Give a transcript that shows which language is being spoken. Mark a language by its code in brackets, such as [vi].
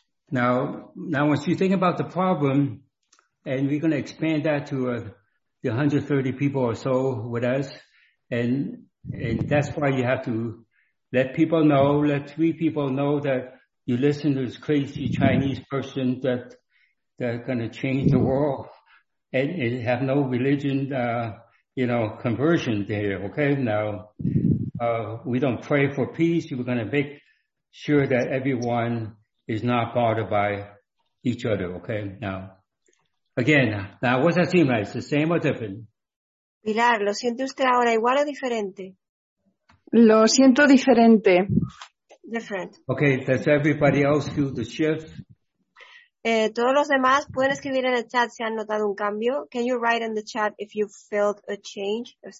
[en] Now, once you think about the problem, and we're going to expand that to the 130 people or so with us, and that's why you have to let people know, let three people know that you listen to this crazy Chinese person that's going to change the world and have no religion, conversion there. Okay. Now, we don't pray for peace. We're going to make sure that everyone is not bothered by each other. Okay. Now, what's that seem like? It's the same or different? [es] Pilar, ¿lo siente usted ahora igual o diferente? Lo siento diferente. [en] Different. Okay, does everybody else feel the shift? [es] Todos los demás pueden escribir en el chat si han notado un cambio. [en] Can you write in the chat if you felt a change?